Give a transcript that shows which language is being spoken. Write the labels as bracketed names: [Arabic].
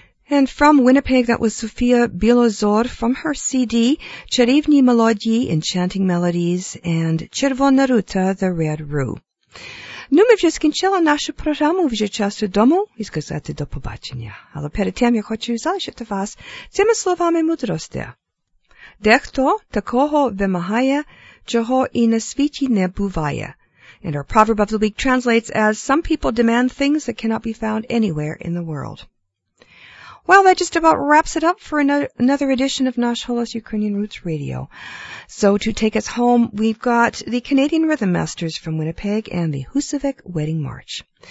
[English] And from Winnipeg, that was Sofia Bilozor from her CD, Cherivni Melodii, Enchanting Melodies, and Червона Рута, The Red Rue. [Ukrainian] Ну, ми вже скінчили нашу програму вже часу дому і сказати до побачення. Але перед тим я хочу залишити вас цими словами мудрості. Дехто такого вимагає, чого і на світі не буває. [English] And our proverb of the week translates as, some people demand things that cannot be found anywhere in the world. Well, that just about wraps it up for another edition of Nash Holos Ukrainian Roots Radio. So to take us home, we've got the Canadian Rhythm Masters from Winnipeg and the Husavik Wedding March.